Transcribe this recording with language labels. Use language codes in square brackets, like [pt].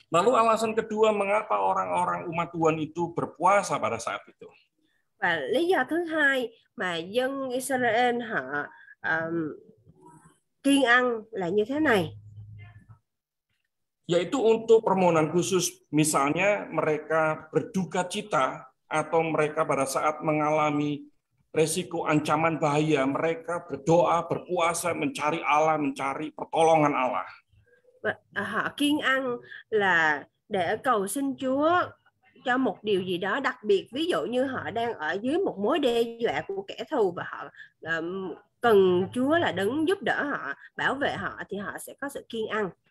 [id] Lalu alasan kedua mengapa orang-orang umat Tuhan itu berpuasa pada saat itu? [vi] Và lý do thứ hai mà dân Israel họ kiêng ăn là như thế này. [id] Yaitu untuk permohonan khusus, misalnya mereka berduka cita atau mereka pada saat mengalami resiko ancaman bahaya, mereka berdoa, berpuasa, mencari Allah, mencari pertolongan Allah. [vi] Họ kiêng ăn là để cầu xin Chúa cho một điều gì đó đặc biệt, ví dụ như họ đang ở dưới một mối đe dọa của kẻ thù và họ cần Chúa là đấng giúp đỡ họ, bảo vệ họ, thì họ sẽ có sự kiêng ăn.